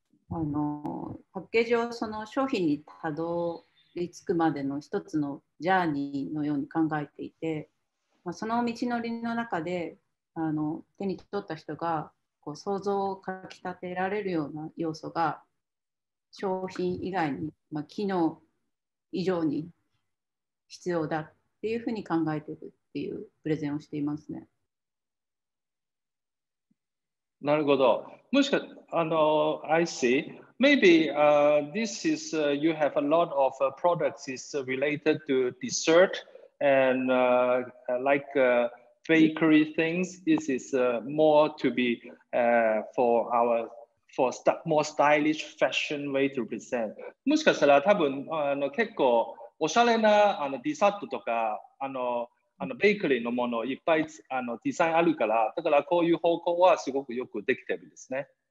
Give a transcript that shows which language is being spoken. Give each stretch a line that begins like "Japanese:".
Japanese: あのパッケージをその商品にたどり着くまでの一つのジャーニーのように考えていて、まあ、その道のりの中であの手に取った人がこう想像をかきたてられるような要素が商品以外に、まあ、機能以上に必要だっていうふうに考えているっていうプレゼンをしていますね。なるほど。もしかあの
English: I see maybe this is you have a lot of products is related to dessert and like bakery things. This is more to be for our for more stylish fashion way to present.
Japanese: もしかしたら多分あの結構おしゃれなあのデザートとかあのベーカリーのものいっぱいあのデザインあるから、だからこういう方向はすごくよくできてるんですね。